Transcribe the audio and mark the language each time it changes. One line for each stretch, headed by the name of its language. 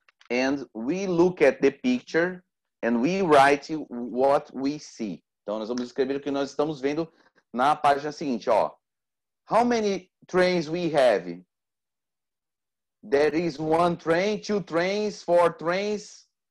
English: And we look at the picture and we write what we see.
Portuguese: Então, nós vamos escrever o que nós estamos vendo na página seguinte, ó.
English: How many trains we have? There is one train, two trains, four trains.